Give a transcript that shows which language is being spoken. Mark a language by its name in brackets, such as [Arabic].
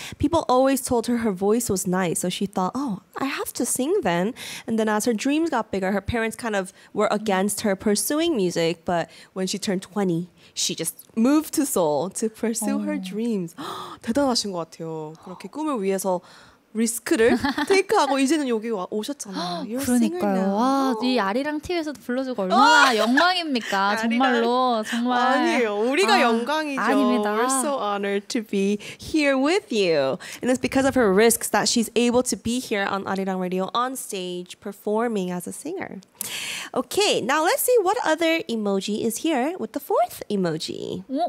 [English] People always told her her voice was nice, so she thought, "Oh, I have to sing then." And then as her dreams got bigger, her parents kind of were against her pursuing music. But when she turned 20, she just moved to Seoul to pursue her dreams. [Korean] 대단하신 것 같아요. 그렇게 꿈을 위해서. 리스크를 테이크하고 이제는 여기 오셨잖아요. 그러니까요. 와, 이 아리랑 TV에서도 불러주고 얼마나 영광입니까? 정말로 정말 아니에요. 우리가 영광이죠. 아닙니다. [English] We're so honored to be here with you. And it's because of her risks that she's able to be here on Arirang Radio on stage performing as a singer. Okay, now let's see what other emoji is here with the fourth emoji.